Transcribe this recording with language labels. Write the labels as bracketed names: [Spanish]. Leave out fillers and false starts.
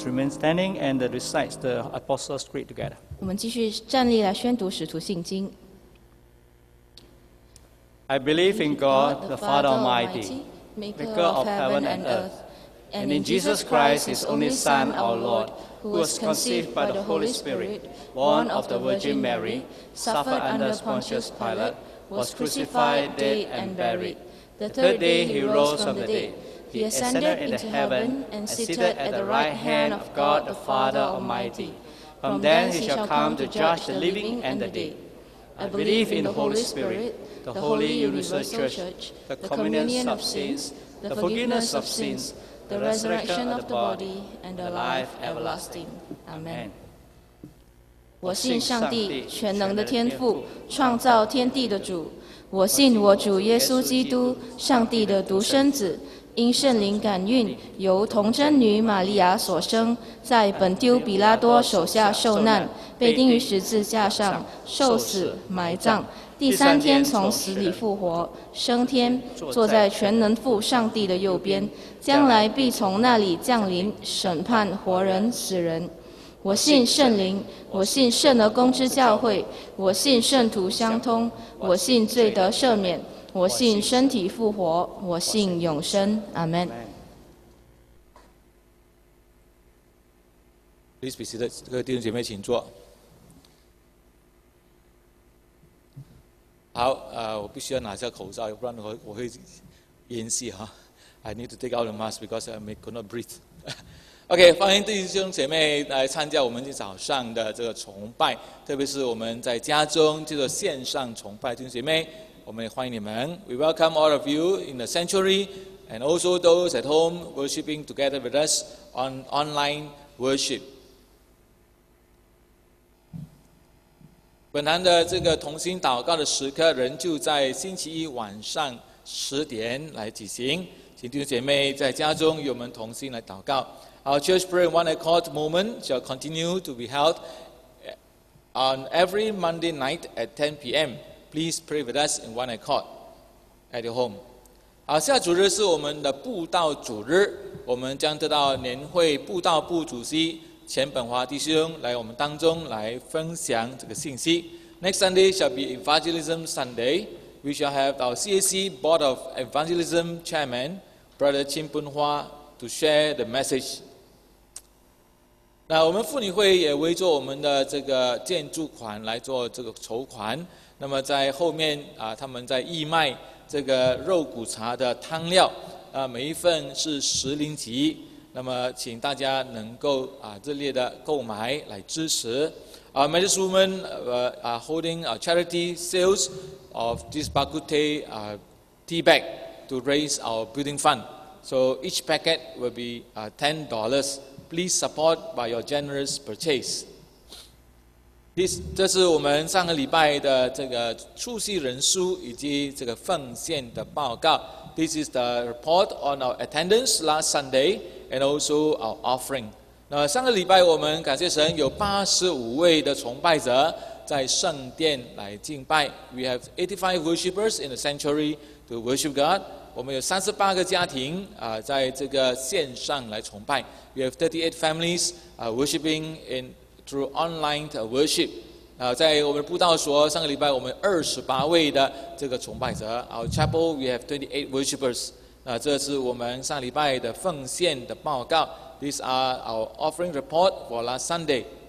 [English] Standing and recite the Apostles' Creed together. [Chinese] 我们继续站立来宣读《使徒信经》。 [English] I believe in God, the Father Almighty, maker of heaven and earth, and in Jesus Christ, His only Son, our Lord, who was conceived by the Holy Spirit, born of the Virgin Mary, suffered under Pontius Pilate, was crucified, dead, and buried. The third day He rose from the dead. He ascended into heaven and seated at the right hand of God the Father Almighty. From then he shall come to judge the living and the dead. I believe in the Holy Spirit, the Holy Universal Church, the communion of sins, the forgiveness of sins, the resurrection of the body, and the life everlasting. Amen. [Chinese] 我信上帝，全能的天父，创造天地的主。我信我主耶稣基督，上帝的独生子。因圣灵感孕，由童贞女玛利亚所生，在本丢比拉多手下受难，被钉于十字架上，受死埋葬，第三天从死里复活，升天，坐在全能父上帝的右边，将来必从那里降临审判活人死人。我信圣灵，我信圣而公之教会，我信圣徒相通，我信罪得赦免。我信身体复活，我信永生。阿门。 [English] Please be seated， [Chinese] 各位弟兄姐妹请坐。好，我必须要拿下口罩，不然我会咽气哈。 [English] I need to take out the mask because I could not breathe. [Chinese] OK， 欢迎弟兄姐妹来参加我们今早上的这个崇拜，特别是我们在家中这个线上崇拜，弟兄姐妹。我们也欢迎你们。 [English] We welcome all of you in the sanctuary, and also those at home worshiping together with us on online worship. [Chinese] 本堂的这个同心祷告的时刻，仍旧在星期一晚上十点来举行。请弟兄姐妹在家中与我们同心来祷告。 [English] Our church prayer one accord moment shall continue to be held on every Monday night at 10 p.m. Please pray with us in one accord at your home. [Chinese] 好，下主日是我们的布道主日，我们将得到年会布道部主席钱本华弟兄来我们当中来分享这个信息。 [English] Next Sunday shall be Evangelism Sunday. We shall have our CAC Board of Evangelism Chairman, Brother Chin Bun Hua, to share the message. [Chinese] 那我们妇女会也为做我们的这个建筑款来做这个筹款。那么在后面啊，他们在义卖这个肉骨茶的汤料啊，每一份是十令吉。那么请大家能够热烈的购买来支持。 [English] Madam Woman are holding a charity sales of this Bakute tea bag to raise our building fund. So each packet will be $10. Please support by your generous purchase. [Chinese] 这是我们上个礼拜的这个出席人数以及这个奉献的报告。 [English] This is the report on our attendance last Sunday and also our offering. [Chinese] 那上个礼拜我们感谢神有85位的崇拜者在圣殿来敬拜。 [English] We have 85 worshippers in the sanctuary to worship God. [Chinese] 我们有38个家庭在这个线上来崇拜。 [English] We have 38 families worshipping in through online worship. [Chinese] 在我们布道所上个礼拜我们28位的这个崇拜者。 [English] Our chapel, we have 28 worshippers. [Chinese] 这是我们上礼拜的奉献的报告。 [English] These are our offering report for last Sunday.